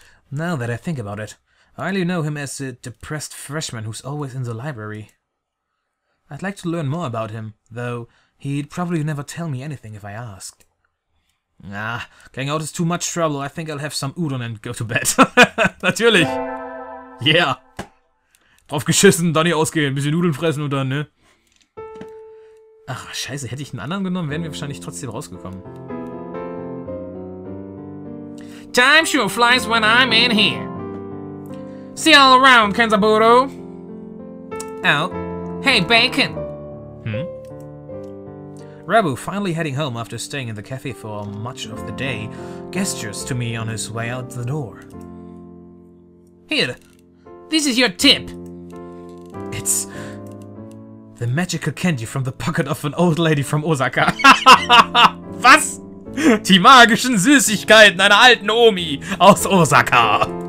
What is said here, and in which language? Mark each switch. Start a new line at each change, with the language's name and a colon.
English: Now that I think about it, I only know him as a depressed freshman who's always in the library. I'd like to learn more about him, though he'd probably never tell me anything if I asked. Nah, getting out is too much trouble. I think I'll have some udon and go to bed.
German: Natürlich!
English: Yeah!
German: Drauf geschissen, dann nicht ausgehen, ein bisschen Nudeln fressen und dann, ne? Ach, scheiße, hätte ich einen anderen genommen, wären wir wahrscheinlich trotzdem rausgekommen.
English: Time sure flies when I'm in here. See you all around, Kenzaburo. Oh. Hey, Bacon. Hm? Rabu, finally heading home after staying in the cafe for much of the day, gestures to me on his way out the door. Here. This is your tip. It's... the magical candy from the pocket of an old lady from Osaka.
German: Was? Die magischen Süßigkeiten einer alten Omi aus Osaka.